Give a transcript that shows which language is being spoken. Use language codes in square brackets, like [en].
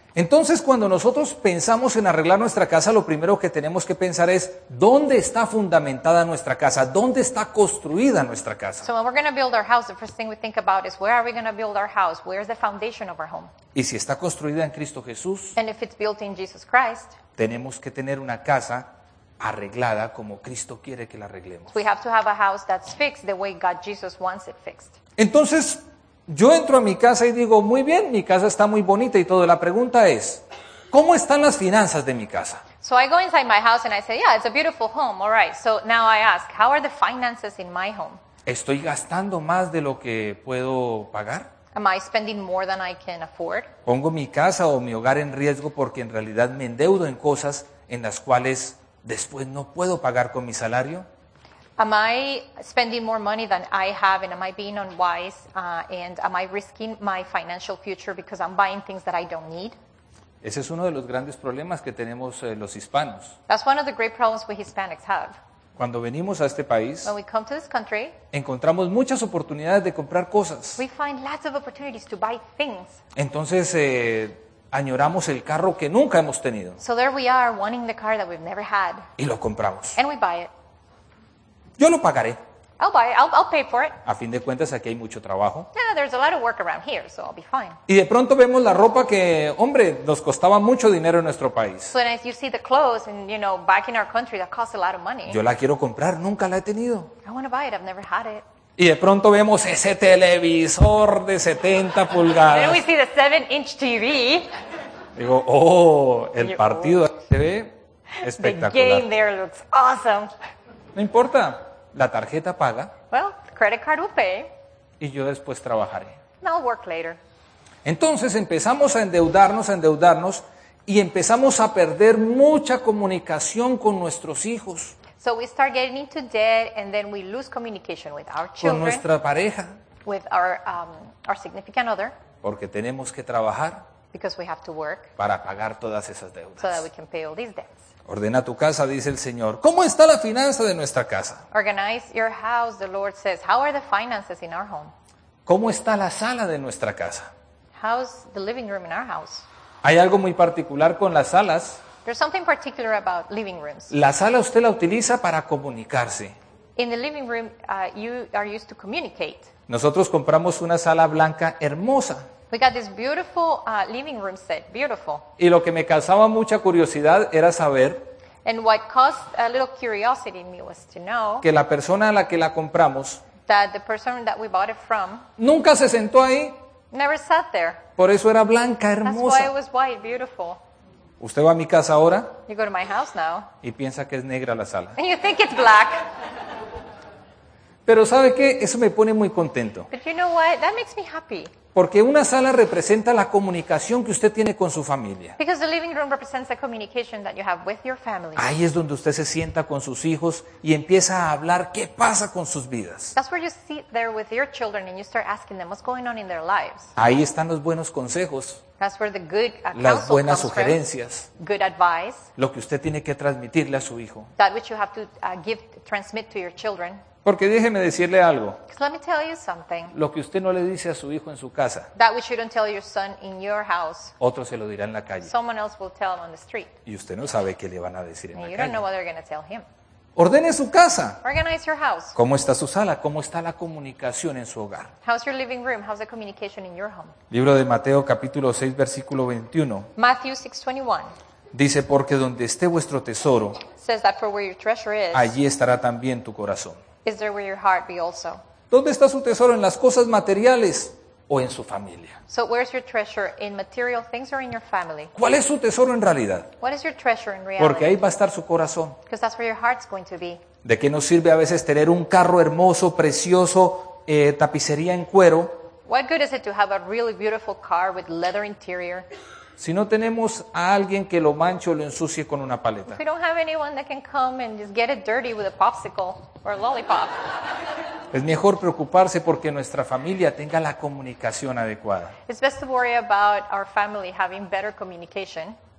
[es] Entonces, cuando nosotros pensamos en arreglar nuestra casa, lo primero que tenemos que pensar es, ¿dónde está fundamentada nuestra casa? ¿Dónde está construida nuestra casa? [en] So when we're going to build our house, the first thing we think about is, where are we going to build our house? Where is the foundation of our home? [es] Y si está construida en Cristo Jesús, [en] and if it's built in Jesus Christ, [es] tenemos que tener una casa arreglada como Cristo quiere que la arreglemos. [en] We have to have a house that's fixed the way God Jesus wants it fixed. [es] Entonces, yo entro a mi casa y digo, muy bien, mi casa está muy bonita y todo. La pregunta es, ¿cómo están las finanzas de mi casa? [en] So I go inside my house and I say, yeah, it's a beautiful home, all right. So now I ask, how are the finances in my home? [es] ¿Estoy gastando más de lo que puedo pagar? [en] Am I spending more than I can afford? [es] ¿Pongo mi casa o mi hogar en riesgo porque en realidad me endeudo en cosas en las cuales después no puedo pagar con mi salario? [en] Am I spending more money than I have, and am I being unwise, and am I risking my financial future because I'm buying things that I don't need? [es] Ese es uno de los grandes problemas que tenemos los hispanos. [en] That's one of the great problems we Hispanics have. [es] Cuando venimos a este país, [en] when we come to this country, [es] encontramos muchas oportunidades de comprar cosas. [en] We find lots of opportunities to buy things. [es] Entonces, añoramos el carro que nunca hemos tenido. [en] So there we are, wanting the car that we've never had. [es] Y lo compramos. [en] And we buy it. [es] Yo lo pagaré. [en] I'll buy it. I'll pay for it. [es] A fin de cuentas, aquí hay mucho trabajo. [en] Yeah, there's a lot of work around here, so I'll be fine. [es] Y de pronto vemos la ropa que, hombre, nos costaba mucho dinero en nuestro país. [en] So as you see the clothes, and you know, back in our country, that costs a lot of money. [es] Yo la quiero comprar. Nunca la he tenido. [en] I want to buy it. I've never had it. [es] Y de pronto vemos ese televisor de 70 pulgadas. [en] Then we see the 7-inch TV. [es] Digo, oh, el partido se ve espectacular. [en] The game there looks awesome. [es] No importa. La tarjeta paga. [en] Well, credit card will pay. [es] Y yo después trabajaré. [en] And I'll work later. [es] Entonces empezamos a endeudarnos, y empezamos a perder mucha comunicación con nuestros hijos. [en] So we start getting into debt, and then we lose communication with our children. [es] Con nuestra pareja. [en] With our significant other. [es] Porque tenemos que trabajar. [en] Because we have to work. [es] Para pagar todas esas deudas. [en] So that we can pay all these debts. [es] Ordena tu casa, dice el Señor. ¿Cómo está la finanza de nuestra casa? [en] Organize your house, the Lord says. How are the finances in our home? [es] ¿Cómo está la sala de nuestra casa? [en] How's the living room in our house? [es] Hay algo muy particular con las salas. [en] There's something particular about living rooms. [es] La sala usted la utiliza para comunicarse. [en] In the living room, you are used to communicate. [es] Nosotros compramos una sala blanca hermosa. [en] We got this beautiful living room set, beautiful. [es] Y lo que me causaba mucha curiosidad era saber. [en] And what caused a little curiosity in me was to know. [es] Que la persona a la que la compramos. [en] That the person that we bought it from. [es] Nunca se sentó ahí. [en] Never sat there. [es] Por eso era blanca, hermosa. [en] That's why it was white, beautiful. [es] Usted va a mi casa ahora. [en] You go to my house now. [es] Y piensa que es negra la sala. [en] And you think it's black. [es] Pero ¿sabe qué? Eso me pone muy contento. [en] But you know what? That makes me happy. [es] Porque una sala representa la comunicación que usted tiene con su familia. [en] Because the living room represents the communication that you have with your family. [es] Ahí es donde usted se sienta con sus hijos y empieza a hablar qué pasa con sus vidas. [en] That's where you sit there with your children and you start asking them what's going on in their lives. [es] Ahí están los buenos consejos. [en] That's where the good counsel comes from. [es] Las buenas sugerencias. [en] Good advice. [es] Lo que usted tiene que transmitirle a su hijo. [en] That which you have to transmit to your children. [es] Porque déjeme decirle algo. [en] Let me tell you something. [es] Lo que usted no le dice a su hijo en su casa. [en] That which you don't tell your son in your house. [es] Otro se lo dirá en la calle. [en] Someone else will tell him on the street. [es] Y usted no sabe qué le van a decir [en] and [es] en la calle. [en] You don't know what they're going to tell him. [es] Ordene su casa. [en] Organize your house. [es] ¿Cómo está su sala? ¿Cómo está la comunicación en su hogar? [en] How's your living room? How's the communication in your home? [es] Libro de Mateo, capítulo 6, versículo 21. [en] Matthew 6:21. [es] Dice, porque donde esté vuestro tesoro, [en] says that for where your treasure is, [es] allí estará también tu corazón. [en] Is there where your heart be also? [es] ¿Dónde está su tesoro? ¿En las cosas materiales o en su familia? [en] So where's your treasure? In material things or in your family? [es] ¿Cuál es su tesoro en realidad? [en] What is your treasure in reality? [es] Porque ahí va a estar su corazón. [en] Because that's where your heart's going to be. [es] ¿De qué nos sirve a veces tener un carro hermoso, precioso, tapicería en cuero? [en] What good is it to have a really beautiful car with leather interior? [es] Si no tenemos a alguien que lo manche o lo ensucie con una paleta. [en] If we don't have anyone that can come and just get it dirty with a popsicle or a lollipop. [es] Es mejor preocuparse porque nuestra familia tenga la comunicación adecuada. [en] It's best to worry about our family having better communication.